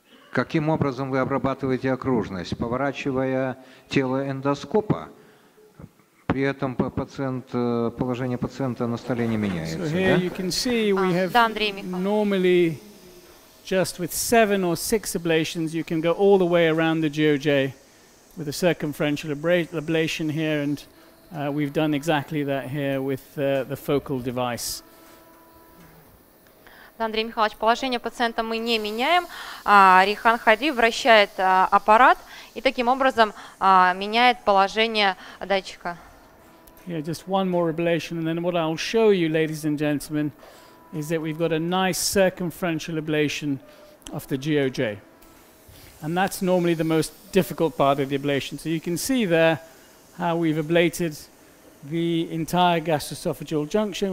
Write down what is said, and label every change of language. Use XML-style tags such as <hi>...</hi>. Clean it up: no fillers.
<ru>Каким образом вы обрабатываете окружность, поворачивая тело эндоскопа? При этом пациент, положение пациента на столе не меняется, да?</ru> <en>So here you can see we have normally just with 7 or 6 ablations you can go all the way around the GOJ with a circumferential ablation here, and we've done exactly that here with the focal device.</en> <ru>Да, Андрей Михайлович, положение пациента мы не меняем. Рехан Хайдри вращает аппарат и таким образом меняет положение датчика.</ru> <en>Yeah, just one more ablation, and then what I'll show you, ladies and gentlemen, is that we've got a nice circumferential ablation of the GOJ. And that's normally the most difficult part of the ablation. So you can see there how we've ablated the entire gastroesophageal junction.</en>